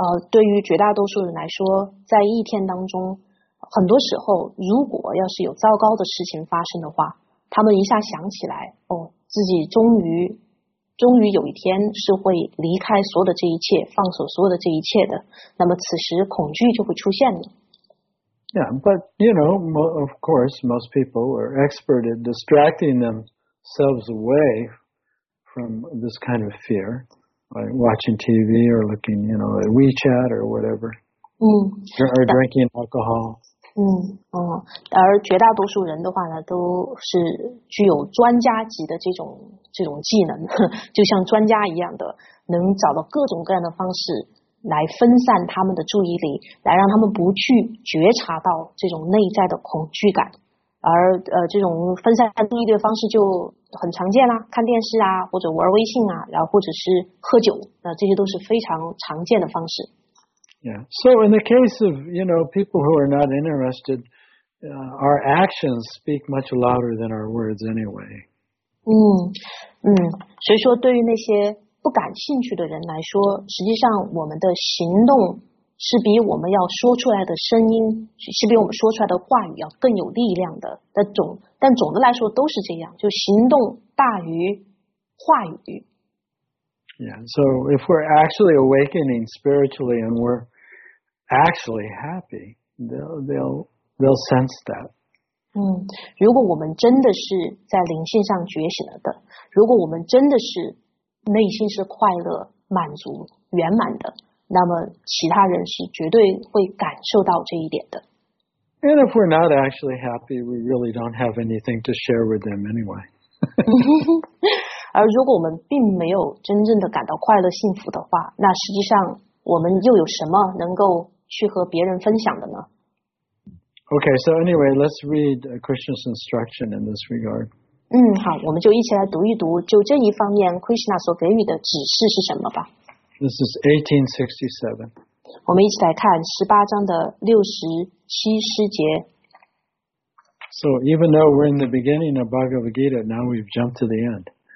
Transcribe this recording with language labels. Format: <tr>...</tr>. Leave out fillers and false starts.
<zh>对于绝大多数人来说，在一天当中，很多时候，如果要是有糟糕的事情发生的话，他们一下想起来，哦，自己终于有一天是会离开所有的这一切，放手所有的这一切的，那么此时恐惧就会出现了。</zh> <en>Yeah, but you know, of course, most people are expert at distracting themselves away from this kind of fear. By watching TV or looking, you know, at WeChat or whatever. Or drinking alcohol.</en> <zh>而绝大多数人的话呢，都是具有专家级的这种技能，就像专家一样的，能找到各种各样的方式来分散他们的注意力，来让他们不去觉察到这种内在的恐惧感。而这种分散注意力的方式就很常见啦，看电视啊，或者玩微信啊，然后或者是喝酒，这些都是非常常见的方式。</zh> <en>Yeah, so in the case of, you know, people who are not interested, our actions speak much louder than our words anyway.</en> <zh>所以说对于那些不感兴趣的人来说，实际上我们的行动是比我们要说出来的声音，是比我们说出来的话语要更有力量的。但总的来说都是这样，就行动大于话语。</zh> <en>Yeah, so if we're actually awakening spiritually and we're actually happy, they'll sense that.</en> <zh>如果我们真的是在灵性上觉醒了的，如果我们真的是内心是快乐、满足、圆满的。那么其他人是绝对会感受到这一点的。</zh> <en>And if we're not actually happy, we really don't have anything to share with them anyway.</en> <zh>而如果我们并没有真正的感到快乐幸福的话，那实际上我们又有什么能够去和别人分享的呢？</zh> <en>Okay, so anyway, let's read Krishna's instruction in this regard.</en> <zh>好，我们就一起来读一读，就这一方面 Krishna 所给予的指示是什么吧。</zh> <en>This is 1867.</en> <zh>我们一起来看18章的67诗节。</zh> <en>So even though we're in the beginning of Bhagavad Gita, now we've jumped to the end.</en>